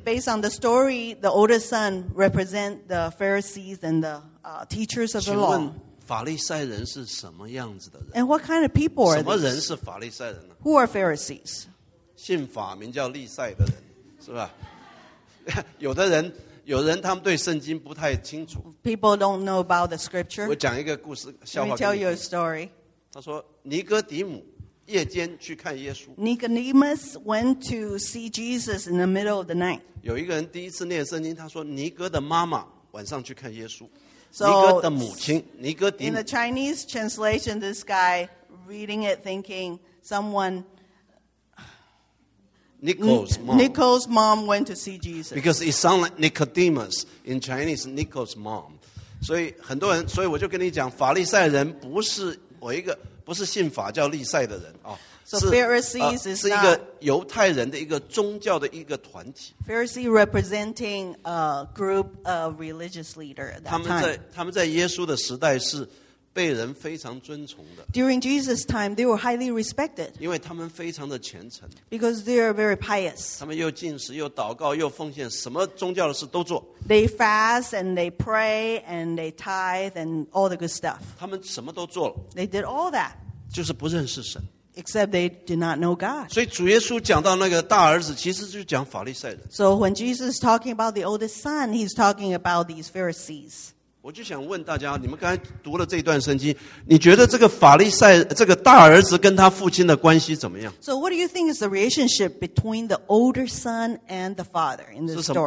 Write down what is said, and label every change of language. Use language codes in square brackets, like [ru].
[en] Based on the story, the older son represent the Pharisees and the teachers of the law. [zh] 请问法利赛人是什么样子的人 [en] ？And what kind of people are? [zh] 什么人是法利赛人呢 [en] ？Who are Pharisees? [zh] 信法名叫利赛的人，是吧？有的人他们对圣经不太清楚。 [en] People don't know about the scripture. [zh] 我讲一个故事，笑话给你。 [en] Let me tell you a story. [zh] 他说尼哥底母。夜间去看耶稣。 [en] Nicodemus went to see Jesus in the middle of the night. [zh] 有一个人第一次念圣经，他说尼哥的妈妈晚上去看耶稣。 [en] So, [zh] 尼哥的母亲，尼哥底母。 [en] In the Chinese translation, this guy reading it thinking someone. Nicole's mom. Nicole's mom went to see Jesus. Because it sounds like Nicodemus in Chinese, Nicole's mom. [zh] 所以很多人，所以我就跟你讲，法利赛人不是。我一个不是信法叫利赛的人啊。 [en] So Pharisees is [zh] 是一个犹太人的一个宗教的一个团体。 [en] Pharisee representing a group of religious leader at that time. [zh] 他们在耶稣的时代是被人非常尊崇的。 [en] During Jesus' time, they were highly respected. [zh] 因为他们非常的虔诚。 [en] Because they are very pious. [zh] 他们又禁食，又祷告，又奉献，什么宗教的事都做。 [en] They fast and they pray and they tithe and all the good stuff. [zh] 他们什么都做了。 [en] They did all that. [zh] 就是不认识神。 [en] Except they did not know God. [zh] 所以主耶稣讲到那个大儿子，其实就是讲法利赛人。 [en] So when Jesus is talking about the oldest son, he's talking about these Pharisees. [zh] 我就想问大家，你们刚才读了这一段圣经，你觉得这个法利赛这个大儿子跟他父亲的关系怎么样 [en] ？So what do you think is the relationship between the older son and the father in this story?